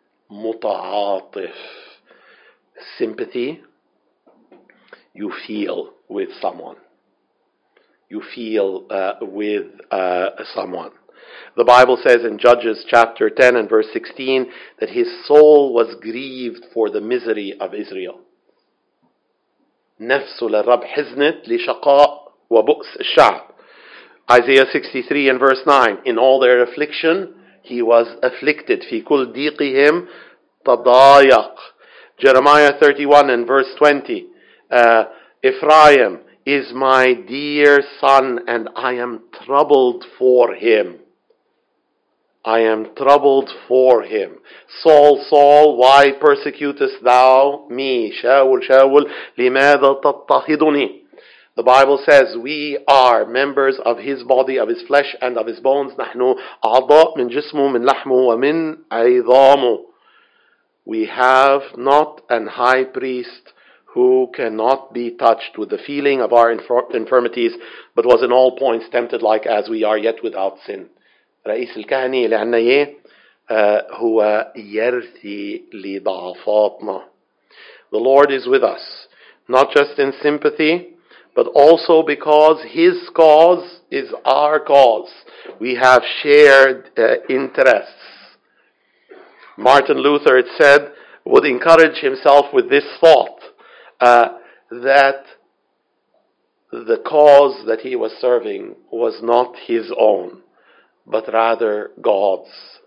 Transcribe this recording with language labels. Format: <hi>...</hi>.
<en>متعاطف, sympathy, you feel with someone. You feel with someone. The Bible says in Judges chapter 10 and verse 16 that his soul was grieved for the misery of Israel.</en> <ar>نفسه للرب حزنت لشقاء وبؤس الشعب.</ar> <en>Isaiah 63 and verse 9, in all their affliction, he was afflicted.</en> <ar>في كل ديقهم تضايق.</ar> <en>Jeremiah 31 and verse 20, Ephraim is my dear son and I am troubled for him. I am troubled for him. Saul, Saul, why persecutest thou me?</en> <ar>Shaul, Shaul, لماذا تضطهدني?</ar> <en>The Bible says we are members of his body, of his flesh and of his bones.</en> <ar>نحنو أعضاء من جسمه من لحمه ومن عظامه.</ar> <en>We have not an high priest who cannot be touched with the feeling of our infirmities, but was in all points tempted like as we are, yet without sin.</en> <ar>رئيس الكهنة اللي عنا إيه هو يرثي لضعفاتنا.</ar> <en>The Lord is with us, not just in sympathy, but also because his cause is our cause. We have shared interests. Martin Luther, it said, would encourage himself with this thought that the cause that he was serving was not his own, but rather God's.</en>